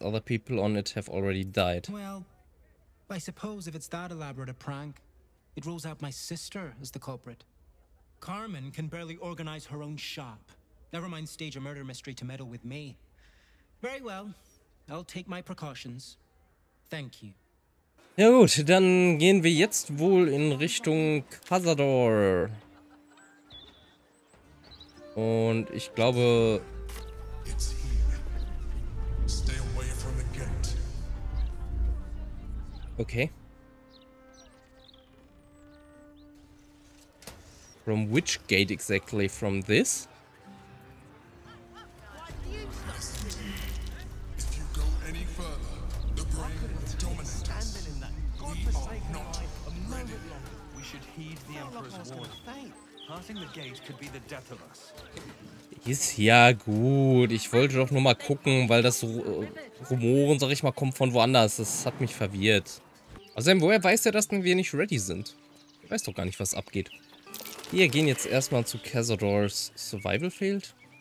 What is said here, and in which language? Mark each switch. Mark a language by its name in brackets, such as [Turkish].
[English] Other people on it have already died. Well, I suppose if it's that elaborate a prank, it rules out my sister as the culprit. Carmen can barely organize her own shop. Never mind stage a murder mystery to meddle with me. Very well. I'll take my precautions. Thank you. [German] Ja gut, dann gehen wir jetzt wohl in Richtung Cazador. Und ich glaube... [English] It's here. Stay away from the gate. Okay. From which gate exactly? From this? Heed the Emperor's warning. Passing the gate could be the death of us. [German] Ist ja gut. Ich wollte doch nur mal gucken, weil das Rumoren, sag ich mal, kommt von woanders. Das hat mich verwirrt. Außerdem, woher weiß er, dass wir nicht ready sind? Ich weiß doch gar nicht, was abgeht. Wir gehen jetzt erstmal zu Cazadores Survival Field.